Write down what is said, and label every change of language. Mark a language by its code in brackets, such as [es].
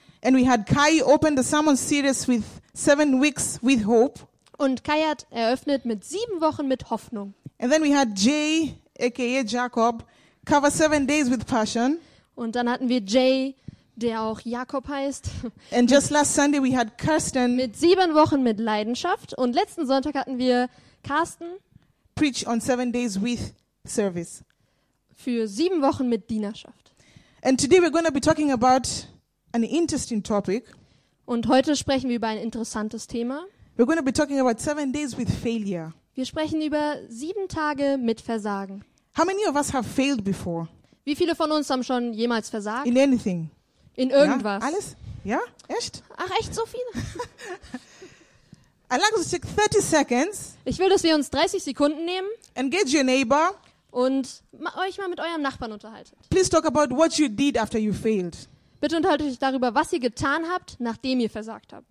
[en] And we had Kai open the sermon series with 7 weeks with hope. [de] Und Kai hat eröffnet mit 7 Wochen mit Hoffnung. [en] And then we had Jay, aka Jacob, cover 7 days with passion. [de] Und dann hatten wir Jay, der auch Jakob heißt. [en] And just last Sunday we had Kirsten. [de] Mit 7 Wochen mit Leidenschaft. Und letzten Sonntag hatten wir Carsten. [en] Preach on 7 days with service. [de] Für 7 Wochen mit Dienerschaft. [en] And today we're going to be talking about an interesting topic. [de] Und heute sprechen wir über ein interessantes Thema. [en] We're going to be talking about 7 days with failure. [de] Wir sprechen über 7 Tage mit Versagen. [en] How many of us have failed before? [de] Wie viele von uns haben schon jemals versagt? [en] In anything. [de] In irgendwas. Ja, alles? Ja? Echt? Ach, echt so viele? [en] I'd like to take 30 seconds. [de] Ich will, dass wir uns 30 Sekunden nehmen. [en] Engage your neighbor. [de] Und euch mal mit eurem Nachbarn unterhaltet. [en] Please talk about what you did after you failed. [de] Bitte unterhaltet euch darüber, was ihr getan habt, nachdem ihr versagt habt.